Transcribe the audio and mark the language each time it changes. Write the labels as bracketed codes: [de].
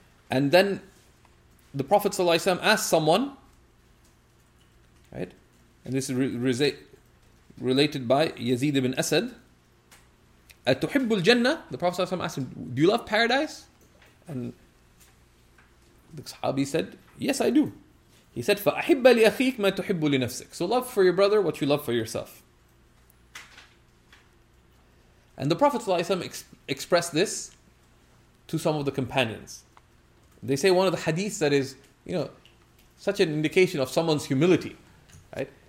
[en] And then the Prophet ﷺ asked someone, right, and this is related by Yazid ibn Asad, [ar] أَتُحِبُّ الْجَنَّةِ. [en] The Prophet ﷺ asked him, do you love paradise? And the Sahabi said, yes, I do. He said, [ar] فَأَحِبَّ لِأَخِيكَ مَا تُحِبُّ لِنَفْسِكَ. [en] So love for your brother what you love for yourself. And the Prophet ﷺ expressed this to some of the companions. They say one of the hadiths that is, you know, such an indication of someone's humility, right?